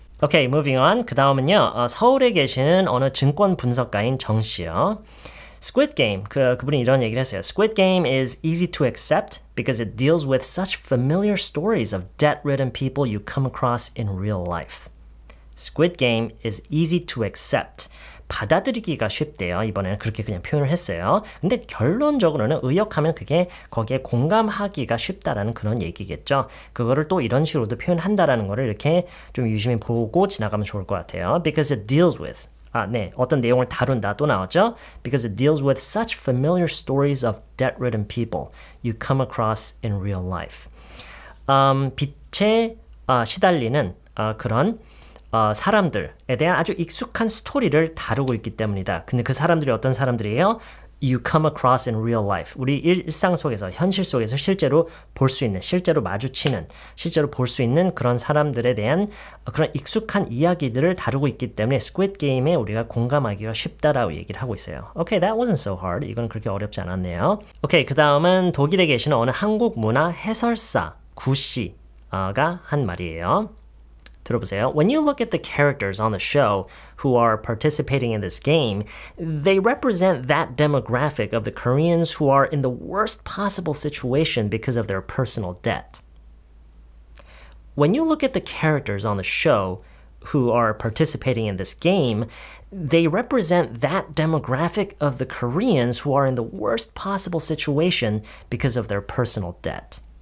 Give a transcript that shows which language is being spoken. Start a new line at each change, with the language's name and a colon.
English: Okay, moving on.
Korean: 그 다음은요. 서울에 계시는 어느 증권 분석가인 정 씨요. Squid Game, 그분이 이런 얘기를 했어요.
English: Squid Game is easy to accept because it deals with such familiar stories of debt-ridden people you come across in real life. Squid Game is easy to accept.
Korean: 받아들이기가 쉽대요. 이번에는 그렇게 그냥 표현을 했어요. 근데 결론적으로는 의역하면 그게 거기에 공감하기가 쉽다라는 그런 얘기겠죠. 그거를 또 이런 식으로도 표현한다라는 거를 이렇게 좀 유심히 보고 지나가면 좋을 것 같아요.
English: Because it deals with.
Korean: 아, 네. 어떤 내용을 다룬다 또 나왔죠?
English: Because it deals with such familiar stories of debt-ridden people you come across in real life.
Korean: 빚에 시달리는 그런 사람들에 대한 아주 익숙한 스토리를 다루고 있기 때문이다. 근데 그 사람들이 어떤 사람들이에요?
English: You come across in real life.
Korean: 우리 일상 속에서, 현실 속에서 실제로 볼 수 있는, 실제로 마주치는, 실제로 볼 수 있는 그런 사람들에 대한 그런 익숙한 이야기들을 다루고 있기 때문에 Squid Game에 우리가 공감하기가 쉽다라고 얘기를 하고 있어요.
English: Okay, that wasn't so hard.
Korean: 이건 그렇게 어렵지 않았네요. Okay, 그 다음은 독일에 계시는 어느 한국 문화 해설사 구 씨가 한 말이에요. 들어보세요.
English: When you look at the characters on the show who are participating in this game, they represent that demographic of the Koreans who are in the worst possible situation because of their personal debt. When you look at the characters on the show who are participating in this game, they represent that demographic of the Koreans who are in the worst possible situation because of their personal debt.